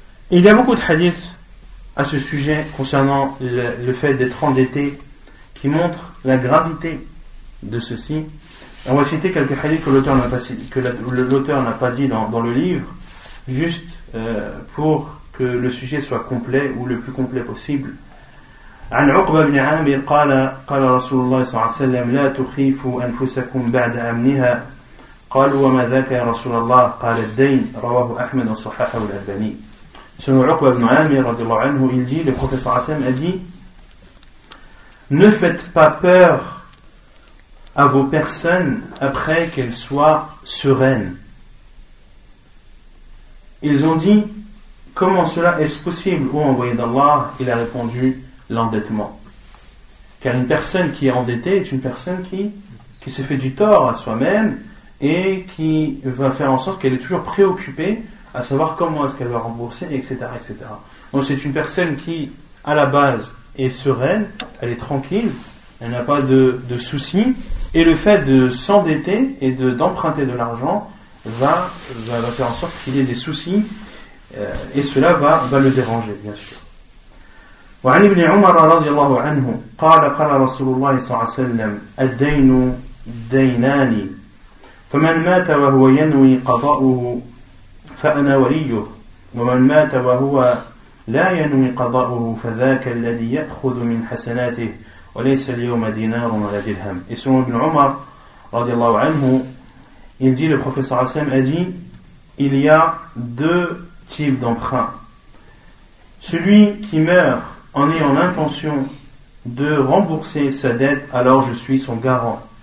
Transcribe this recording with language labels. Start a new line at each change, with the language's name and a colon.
French: Il y a beaucoup de hadiths à ce sujet concernant le fait d'être endetté qui montrent la gravité de ceci. On va citer quelques hadiths que l'auteur n'a pas dit dans le livre, juste pour que le sujet soit complet ou le plus complet possible.
Arabic: عن عقبة بن عامر قال قال رسول الله صلى الله عليه وسلم لا تخيفوا أنفسكم بعد أمنها. قال وما ذاك يا رسول الله؟ قال الدين. رواه أحمد وصححه الألباني.
French: Selon عقبة بن عامر
Arabic: رضي الله عنه,
French: il dit, le prophète
Arabic: صلى الله عليه وسلم
French: a dit, ne faites pas peur à vos personnes après qu'elles soient sereines. Ils ont dit, comment cela est-ce possible, ô envoyé d'Allah? Il a répondu, l'endettement. Car une personne qui est endettée est une personne qui se fait du tort à soi-même et qui va faire en sorte qu'elle est toujours préoccupée à savoir comment est-ce qu'elle va rembourser, etc., etc. Donc c'est une personne qui, à la base, est sereine, elle est tranquille, elle n'a pas de soucis. Et le fait de s'endetter et d'emprunter de l'argent va faire en sorte qu'il ait des soucis et cela va le déranger, bien sûr.
Arabic: وعن ابن عمر رضي الله عنه قال قال رسول الله صلى الله عليه وسلم الدين دينان فمن مات وهو ينوي قضاؤه فأنا وليه ومن مات وهو لا ينوي قضاؤه فذاك الذي يأخذ من حسناته وليس اليوم دينار ولا درهم. اسمه ابن عمر رضي الله عنه
French: il dit le prophète
Arabic: صلى الله عليه وسلم
French: a dit il y a deux types d'emprunt, celui qui meurt en ayant l'intention de rembourser sa dette, alors je suis son garant.